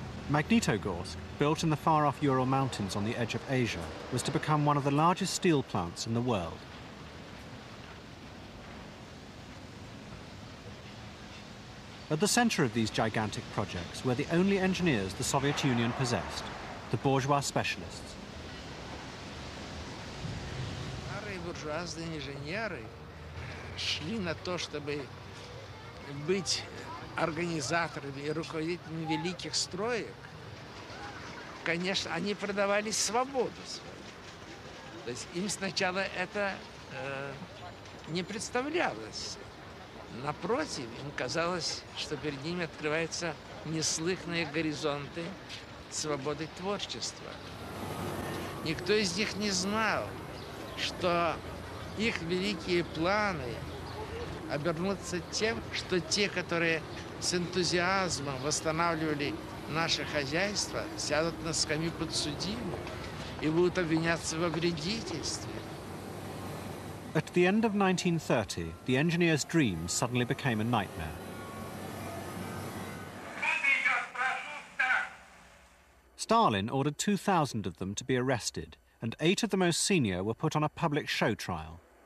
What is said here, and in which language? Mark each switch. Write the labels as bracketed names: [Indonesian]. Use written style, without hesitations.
[English] Magnitogorsk, built in the far-off Ural Mountains on the edge of Asia, was to become one of the largest steel plants in the world. At the center of these gigantic projects were the only engineers the Soviet Union possessed, the bourgeois specialists. [Russian] Старые буржуазные инженеры шли на то, чтобы быть организаторами и руководителями великих строек. Конечно, они продавали свободу свою. То есть им сначала это не представлялось. Напротив, им казалось, что перед ними открываются неслыханные горизонты свободы творчества. Никто из них не знал, что их великие планы обернутся тем, что те, которые с энтузиазмом восстанавливали наше хозяйство, сядут на скамью подсудимых и будут обвиняться во вредительстве. [English] At the end of 1930, the engineer's dream suddenly became a nightmare. Stalin ordered 2,000 of them to be arrested, and 8 of the most senior were put on a public show trial.